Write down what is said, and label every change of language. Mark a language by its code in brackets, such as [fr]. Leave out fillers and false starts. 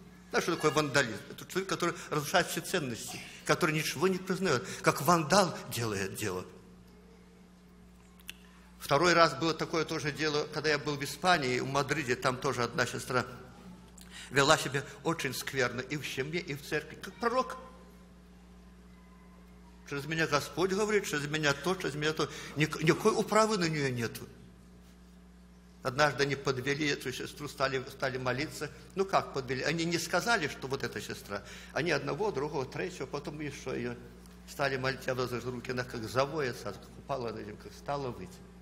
[ru] Знаешь, что такое вандализм? Это человек, который разрушает все ценности, который ничего не признает, как вандал делает дело. Второй раз было такое тоже дело, когда я был в Испании, в Мадриде, там тоже одна сестра вела себя очень скверно и в семье, и в церкви. Как пророк. [uk] Через мене Господь говорить, через мене то, через мене то. Ніякої управи на нього нету. [ru] Однажды они подвели эту сестру, стали молиться. Ну как подвели? Они не сказали, что вот эта сестра. Они одного, другого, третьего, потом еще ее стали молить. Я возложил руки, она как завоется, как упала на землю, как стала выйти.